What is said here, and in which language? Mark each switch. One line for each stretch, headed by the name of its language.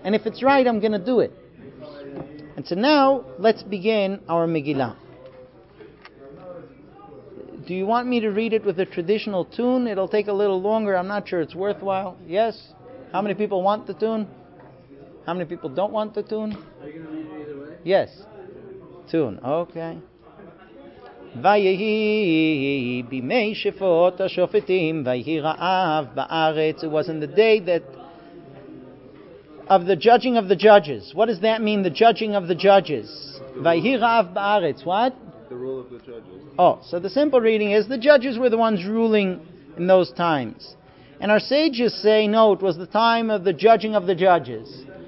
English: And if it's right, I'm going to do it. And so now, let's begin our Megillah. Do you want me to read it with a traditional tune? It'll take a little longer. I'm not sure it's worthwhile. Yes? How many people want the tune? How many people don't want the tune? Are you going to read it either way? Yes. Tune. Okay.
Hebrew: ויהי בימי שפוט השופטים ויהי רעב בארץ.
English: It was in the day that of the judging of the judges. What does that mean, the judging of the judges?
Hebrew: ויהי רעב בארץ. What?
English: The rule of the judges. Oh, so the simple reading is the judges were the ones ruling in those times. And our sages say, no, it was the time of the judging of the judges.